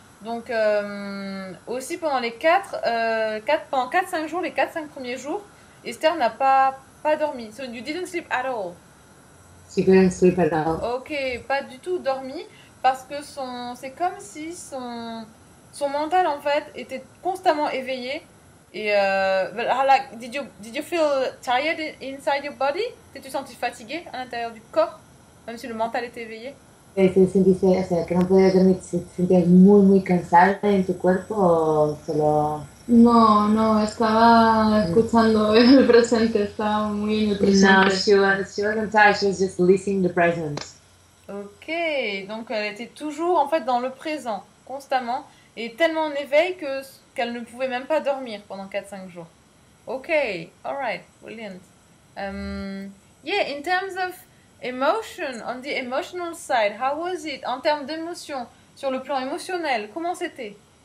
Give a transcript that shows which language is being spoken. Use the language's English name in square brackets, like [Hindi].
[French] Donc aussi pendant les 4-5 jours, les 4-5 premiers jours, Esther n'a pas dormi. [English] So you didn't sleep at all. She couldn't sleep at all. [French] Ok, pas du tout dormi, parce que c'est comme si son mental en fait était constamment éveillé. [English] Et did you feel tired inside your body? [French] T'es-tu senti fatigué à l'intérieur du corps, même si le mental était éveillé? [Spanish] Que no podías dormir, ¿te sentías muy muy cansada en tu cuerpo o solo...? No, no, estaba escuchando el presente, estaba muy en el presente. [English] No, she was inside, she was just listening to the present. [French] Ok, donc elle était toujours en fait dans le présent, constamment, et tellement en éveil qu'elle ne pouvait même pas dormir pendant 4-5 jours. [English] Ok, alright, brilliant. Yeah, in terms of emotion, on the emotional side, how was it? [French] En termes d'émotion, sur le plan émotionnel, comment c'était?